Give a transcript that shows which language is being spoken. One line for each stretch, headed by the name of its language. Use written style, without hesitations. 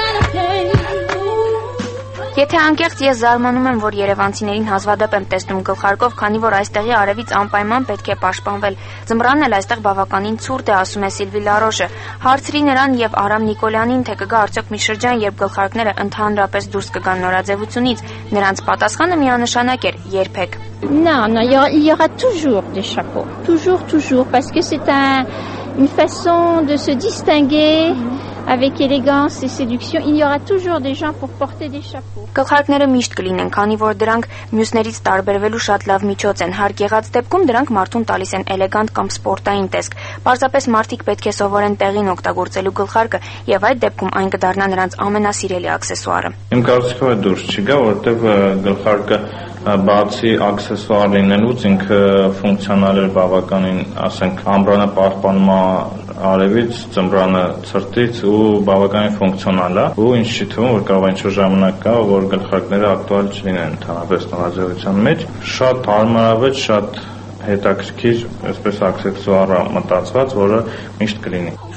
Armenian: Եթե անկեղծ ես զարմանում եմ, որ երևանցիներին հազվադեպ եմ տեսնում գլխարկով, քանի որ այստեղի արևից անպայման պետք է պաշտպանվել։ Ձմռանն էլ այստեղ բավականին ցուրտ է, ասում է Սիլվի Լարոշը։ Հարցրի նրան եւ Արամ Նիկոլյանին, թե կգա արդյոք մի շրջան, երբ գլխարկները ընդհանրապես դուրս կգան նորաձևությունից։ Նրանց պատասխանը միանշանակ էր՝ երբեք։
French: Non, il y aura toujours des chapeaux. Toujours, parce que c'est une façon de se distinguer avec élégance et séduction. Il y aura toujours des gens pour porter des chapeaux.
Armenian: Գլխարկները միշտ կլինեն, քանի որ դրանք մյուսներից տարբերվելու շատ լավ միջոց են։ Հարկ եղած դեպքում դրանք մարդուն տալիս են էլեգանտ կամ սպորտային տեսք։ Պարզապես մարդիկ պետք է սովորեն տեղին օգտագործելու գլխարկը, եւ այդ դեպքում այն կդառնա նրանց ամենասիրելի աքսեսուարը։ Իմ կարծիքով է դուրս չգա, որտեղ գլխարկը բացի աքսեսուար լինելուց ինքը ֆունկցիոնալ է բավականին, ասենք, ամբրանը պահպանումա արևից, ծմբրանը ցրտից ու բավականին ֆունկցիոնալ է, ու ինձ չի թվում, որ կարող ինչ-որ ժամանակ կա, որ գլխարկները ակտուալ չլինեն ընդհանրապես նորաձևության մեջ։ Շատ հարմարավետ, շատ հետաքրքիր, այսպես աքսեսուարը մտածված, որը միշտ կլինի։